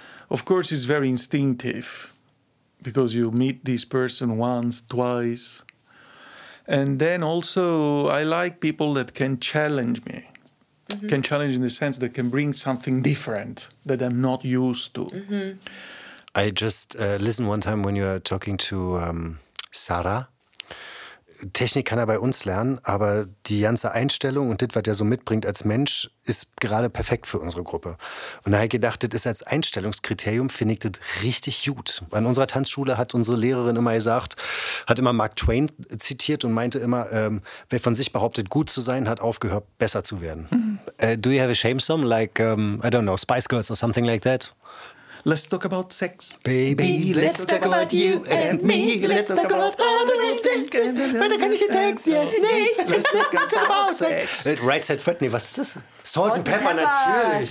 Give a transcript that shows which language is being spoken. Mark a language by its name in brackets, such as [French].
[English] Of course, it's very instinctive. Because you meet this person once, twice. And then also, I like people that can challenge me. Mm-hmm. Can challenge in the sense that can bring something different that I'm not used to. Mm-hmm. I just listened one time when you were talking to Sarah. [German] Technik kann er bei uns lernen, aber die ganze Einstellung und das, was er so mitbringt als Mensch, ist gerade perfekt für unsere Gruppe. Und da habe ich gedacht, das ist als Einstellungskriterium, finde ich das richtig gut. An unserer Tanzschule hat unsere Lehrerin immer gesagt, hat immer Mark Twain zitiert und meinte immer, wer von sich behauptet, gut zu sein, hat aufgehört, besser zu werden. [English] Do you have a shame song like, I don't know, Spice Girls or something like that? Let's talk about sex. Baby, let's talk about you and me. Let's talk about all the way things. [German] Warte, kann ich den Text jetzt nicht? [English] Let's talk about sex. [German] Right Side Fred, nee, was ist das? Salt and Pepper, natürlich.